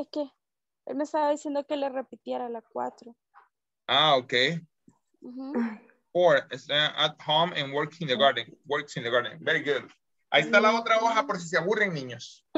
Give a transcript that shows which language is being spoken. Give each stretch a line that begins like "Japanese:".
Spanish: Es que él me estaba diciendo que le repitiera la cuatro. Ah, okay. Mm-hmm.
English: Four. Is at home and works in the garden. Works in the garden. Very good.
Spanish: Ahí está la otra hoja por si se aburren, niños.